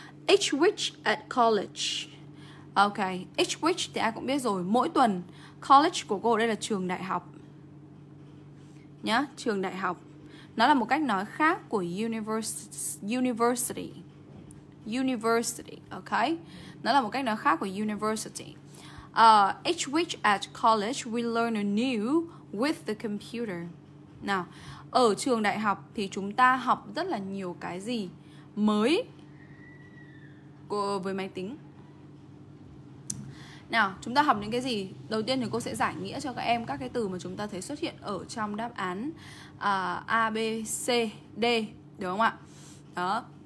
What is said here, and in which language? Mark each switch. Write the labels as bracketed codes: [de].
[en] Each week at college. Okay, each week [vi] thì ai cũng biết rồi, mỗi tuần. College của cô ở đây là trường đại học. Nhá, trường đại học. Nó là một cách nói khác của university. University, okay? Nó là một cách nói khác của university. [en] Each week at college we learn a new with the computer. [vi] Nào, ở trường đại học thì chúng ta học rất là nhiều cái gì mới với máy tính. Nào, chúng ta học những cái gì? Đầu tiên thì cô sẽ giải nghĩa cho các em các cái từ mà chúng ta thấy xuất hiện ở trong đáp án A, B, C, D, đúng không ạ? Đó.